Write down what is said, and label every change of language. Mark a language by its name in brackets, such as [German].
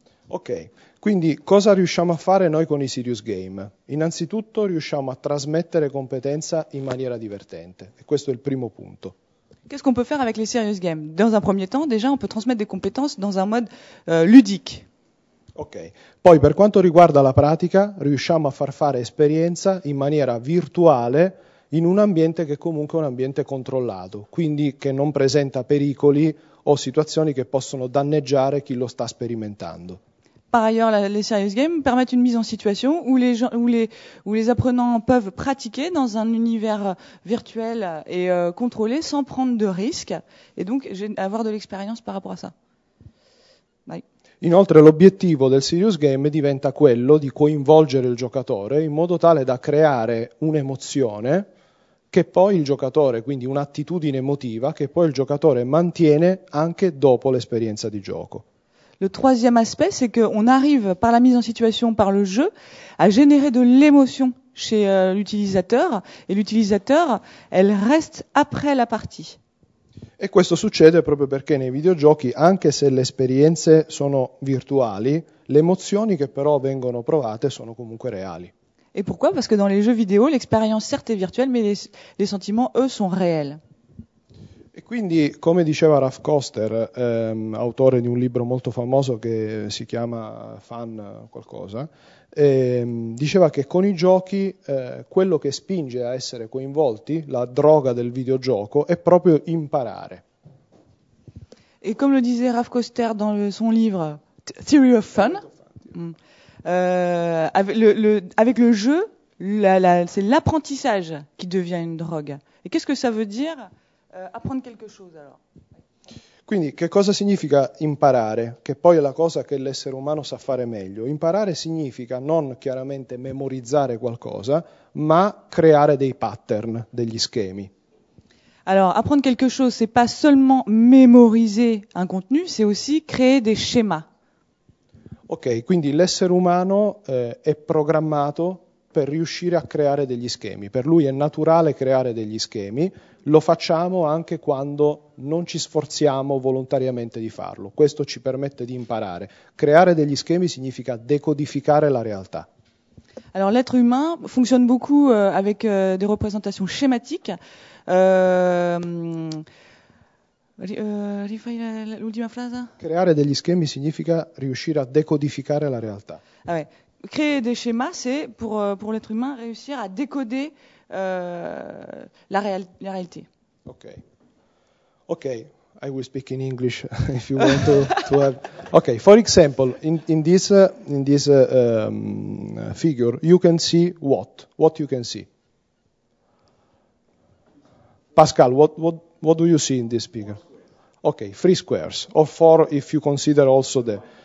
[Italian] Ok, quindi cosa riusciamo a fare noi con i Serious Game? Innanzitutto riusciamo a trasmettere competenza in maniera divertente, e questo è il primo punto. [French] Qu'est-ce qu'on peut faire avec les serious games? Dans un premier temps, déjà, on peut transmettre des compétences dans un mode ludique. Ok. [Italian] Poi, per quanto riguarda la pratica, riusciamo a far fare esperienza in maniera virtuale in un ambiente che comunque è un ambiente controllato, quindi che non presenta pericoli o situazioni che possono danneggiare chi lo sta sperimentando. [French] Par ailleurs, les serious games permettent une mise en situation où les apprenants peuvent pratiquer dans un univers virtuel et contrôlé sans prendre de risques et donc avoir de l'expérience par rapport à ça. [Italian] Vai. Inoltre, l'obiettivo del serious game diventa quello di coinvolgere il giocatore in modo tale da creare un'emozione che poi il giocatore, quindi un'attitudine emotiva, che poi il giocatore mantiene anche dopo l'esperienza di gioco. [French] Le troisième aspect, c'est qu'on arrive par la mise en situation, par le jeu, à générer de l'émotion chez l'utilisateur, et l'utilisateur, elle reste après la partie. [Italian] E questo succede proprio perché nei videogiochi, anche se le esperienze sono virtuali, le emozioni che però vengono provate sono comunque reali. [French] Et pourquoi? Parce que dans les jeux vidéo, l'expérience certes est virtuelle, mais les sentiments, eux, sont réels. [Italian] E quindi, come diceva Ralph Koster, autore di un libro molto famoso che si chiama Fun qualcosa, diceva che con i giochi quello che spinge a essere coinvolti, la droga del videogioco, è proprio imparare. E come lo diceva Ralph Koster nel suo libro [French] Theory of Fun, avec le jeu, c'est l'apprentissage qui devient une drogue. E qu'est-ce que ça veut dire? Apprendre quelque chose, alors. [Italian] Quindi che cosa significa imparare? Che poi è la cosa che l'essere umano sa fare meglio. Imparare significa non chiaramente memorizzare qualcosa, ma creare dei pattern, degli schemi. Alors, apprendre quelque chose, c'est pas seulement mémoriser un contenu, c'est aussi créer des schémas. Ok, quindi l'essere umano è programmato per riuscire a creare degli schemi. Per lui è naturale creare degli schemi, lo facciamo anche quando non ci sforziamo volontariamente di farlo. Questo ci permette di imparare. Creare degli schemi significa decodificare la realtà. [French] Alors l'être humain fonctionne beaucoup avec des représentations schématiques. [Italian] Rifai l'ultima frase. Creare degli schemi significa riuscire a decodificare la realtà. [French] Ah, ouais. Créer des schémas, c'est pour l'être humain réussir à décoder la réalité. [English] Okay. Okay. I will speak in English if you want to have. Okay. For example, in this figure, you can see what you can see. Pascal, what do you see in this figure? Okay, three squares, or four if you consider also the.